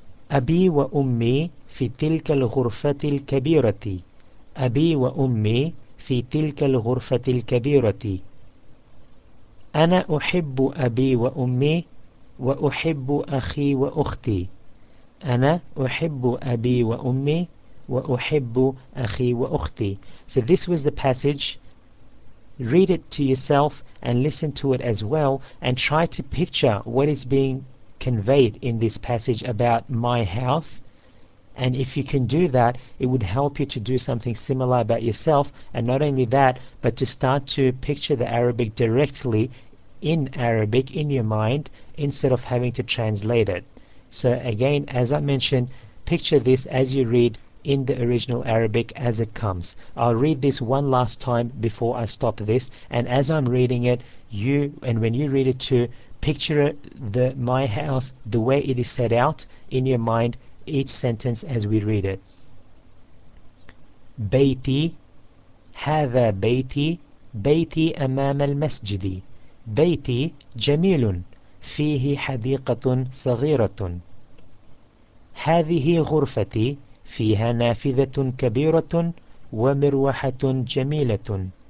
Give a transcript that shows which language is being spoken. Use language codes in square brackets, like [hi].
[ar] أبي وأمي في تلك الغرفة الكبيرة، أبي وأمي في تلك الغرفة الكبيرة. أنا أحب أبي وأمي وأحب أخي وأختي، أنا أحب أبي وأمي وأحب أخي وأختي. [en] So this was the passage. Read it to yourself and listen to it as well and try to picture what is being conveyed in this passage about my house. And if you can do that, it would help you to do something similar about yourself. And not only that, but to start to picture the Arabic directly in Arabic in your mind instead of having to translate it. So again, as I mentioned, picture this as you read in the original Arabic as it comes. I'll read this one last time before I stop this, and as I'm reading it, you, and when you read it too, picture the my house the way it is set out in your mind each sentence as we read it. [ar] بيتي هذا بيتي بيتي أمام المسجد. بيتي جميل فيه حديقة صغيرة. هذه غرفتي فيها نافذة كبيرة ومروحة جميلة.